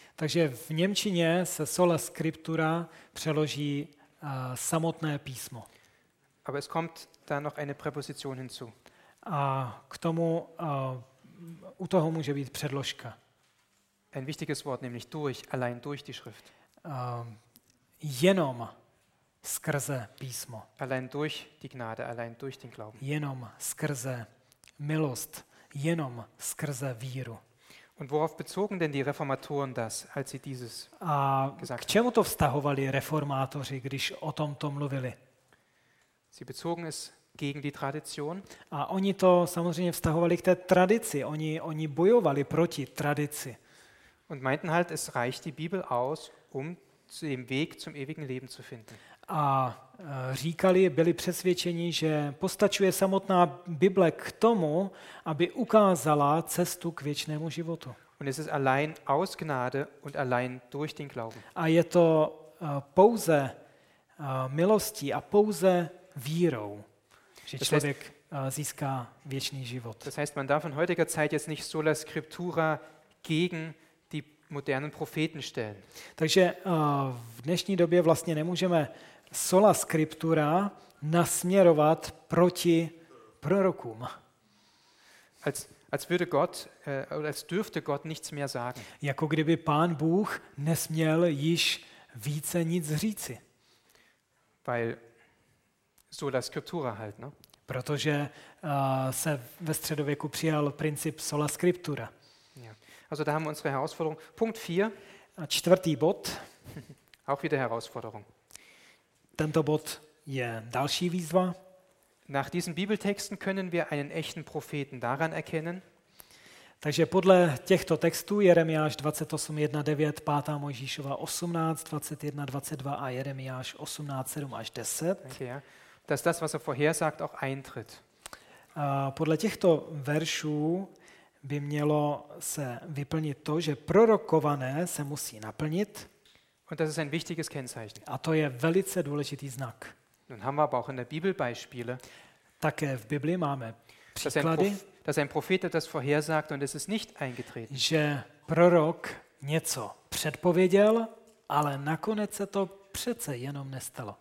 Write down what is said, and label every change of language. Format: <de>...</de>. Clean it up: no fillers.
<cs>Takže v němčině se sola scriptura přeloží samotné písmo.</cs> <de>Aber es kommt da noch eine Präposition hinzu.</de> <cs>A k tomu u toho může být předložka.</cs> <de>Ein wichtiges Wort, nämlich durch, allein durch die Schrift.</de> <cs>Jenom skrze písmo.</cs> <de>Allein durch die Gnade, allein durch den Glauben.</de> <cs>Jenom skrze milost, jenom skrze víru.</cs> <de>Und worauf bezogen denn die Reformatoren das, als sie dieses</de> <cs>a</cs> <de>gesagt haben?</de> <cs>K čemu to vztahovali reformátoři, když o tom to mluvili?</cs> <de>Sie bezogen es gegen die Tradition.</de> <cs>A oni to samozřejmě vztahovali k té tradici. Oni bojovali proti tradici.</cs> <de>Und meinten halt, es reicht die Bibel aus, um den Weg zum ewigen Leben zu finden.</de> <cs>A říkali, byli přesvědčeni, že postačuje samotná Bible k tomu, aby ukázala cestu k věčnému životu.</cs> <de>Und es ist allein aus Gnade und allein durch den Glauben.</de> <cs>A je to pouze milostí a pouze vírou, že člověk získá věčný život.</cs> <de>Das heißt, man darf in heutiger Zeit jetzt nicht sola scriptura gegen die modernen Propheten stellen.</de> <cs>Takže v dnešní době vlastně nemůžeme sola scriptura nasměrovat proti prorokům.</cs> <de>Als würde Gott oder als dürfte Gott nichts mehr sagen.</de> <cs>Jako kdyby Pán Bůh nesměl již více nic říci.</cs> <de>Weil sola scriptura halt, ne?</de> <cs>Protože se ve středověku přijal princip sola scriptura.</cs> <de>Ja. Also da haben wir unsere Herausforderung. Punkt 4.</de> <cs>Čtvrtý bod.</cs> <de>Auch wieder Herausforderung.</de> <cs>Tento bod je další výzva.</cs> <de>Nach diesen Bibeltexten können wir einen echten Propheten daran erkennen.</de> <cs>Takže podle těchto textů Jeremiáš 28:1-9, 5. Mojžíšova 18, 21, 22 a Jeremiáš 18:7-10. Okay.</cs> <de>Dass das, was er vorhersagt, auch eintritt.</de> <cs>Podle těchto veršů by mělo se vyplnit to, že prorokované se musí naplnit.</cs> <de>Und das ist ein wichtiges Kennzeichen.</de> <cs>A to je velice důležitý znak.</cs> <de>Nun haben wir aber auch in der Bibel Beispiele.</de> <cs>Také v Bibli máme příklady,</cs> <de>dass ein Prophet etwas vorhersagt und es ist nicht eingetreten.</de> <cs>Že prorok něco předpověděl, ale nakonec se to přece jenom nestalo.</cs>